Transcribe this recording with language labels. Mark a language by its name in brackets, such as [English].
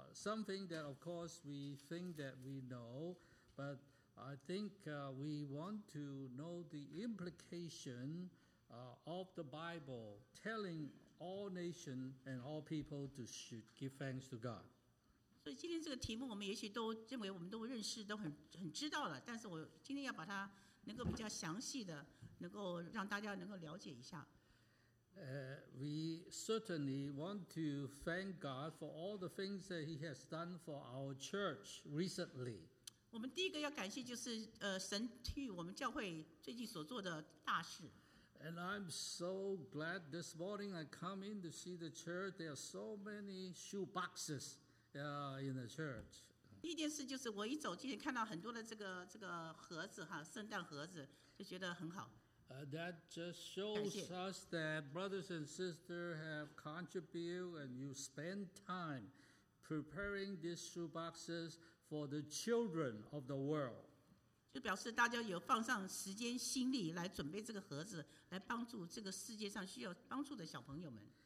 [English] something that, of course, we think that we know, but I think we want to know the implication of the Bible telling all nations and all people to should give thanks to God. [Chinese] 所以今天这个题目，我们也许都认为我们都认识，都很知道了。但是我今天要把它能够比较详细的，能够让大家能够了解一下。 [English] We certainly want to thank God for all the things that He has done for our church recently. [Chinese] 我们第一个要感谢就是神替我们教会最近所做的大事。 [English] And I'm so glad this morning I come in to see the church. There are so many shoe boxes. In the church. [Chinese] 第一件事就是我一走进去看到很多的这个盒子哈，圣诞盒子，就觉得很好。 [English] That just shows us that brothers and sisters have contributed and you spend time preparing these shoe boxes for the children of the world. [Chinese] 就表示大家有放上时间心力来准备这个盒子，来帮助这个世界上需要帮助的小朋友们。